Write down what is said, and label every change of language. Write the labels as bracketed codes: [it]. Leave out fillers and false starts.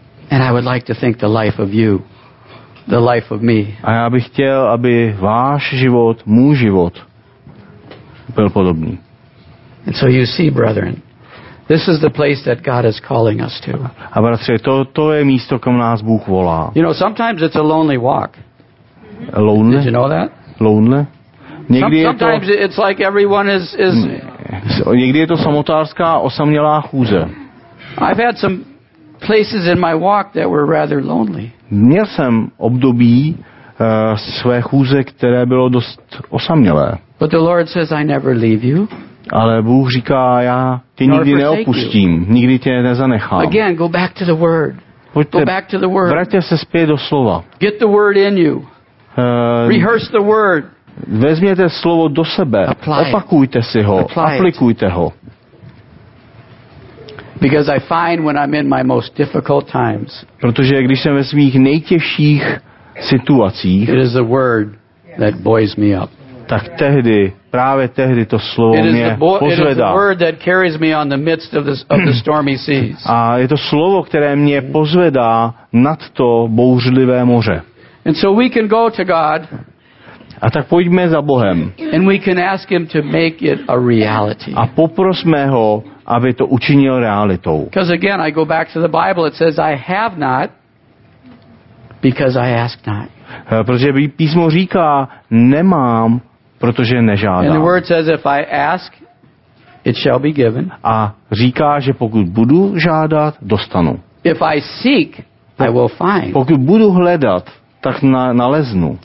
[en] And I would like to think the life of you. The life of me. [cs] A já bych chtěl, aby váš život, můj život byl podobný. [en] And so you see, brethren, this is the place that God is calling us to. [cs] A bratře, to je místo, kam nás Bůh volá. [en] You know, sometimes it's a lonely walk. Lonely? Did you know that? Lonely? Sometimes it's like everyone is [cs] Někdy je to samotářská osamělá chůze. [en] I've had some places in my walk that were rather lonely. [cs] Měl jsem období své chůze, které bylo dost osamělé. [en] But the Lord says, I never leave you. [cs] Ale Bůh říká, já tě nikdy neopustím, nikdy tě nezanechám. [en] Again, go back to the word. Go back to the word. [cs] Vraťte se zpět do slova. [en] Get the word in you. Rehearse the word. [cs] Vezměte slovo do sebe. [en] Apply [cs] opakujte si ho. Aplikujte ho. [en] Because I find when I'm in my most difficult times. [cs] Protože když jsem ve svých nejtěžších situacích. [en] It is the word that buoys me up. [cs] Tak tehdy, právě tehdy to slovo mě pozvedá. [en] It is the word that carries me on the midst of the stormy seas. [cs] A je to slovo, které mě pozvedá nad to bouřlivé moře. [en] And so we can go to God. [cs] A tak pojďme za Bohem. [en] And we can ask him to make it a reality. [cs] A poprosme ho, aby to učinil realitou. [en] Because again, I go back to the Bible, it says I have not because I ask not. [cs] Protože písmo říká, nemám, protože nežádám. [en] And the word says if I ask, it shall be given. [cs] A říká, že pokud budu žádat, dostanu. [en] If I seek, I will find. [cs] Pokud budu hledat, tak naleznu.